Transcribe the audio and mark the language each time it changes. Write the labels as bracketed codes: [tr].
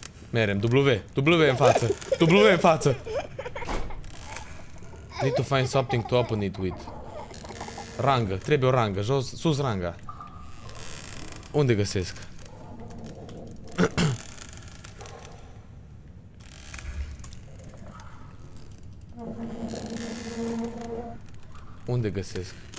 [ro] Merem, W, W în față, W în față! [en] Need to find something to open it with. [ro] Rangă, trebuie o rangă, jos, sus ranga. Unde găsesc? Unde găsesc?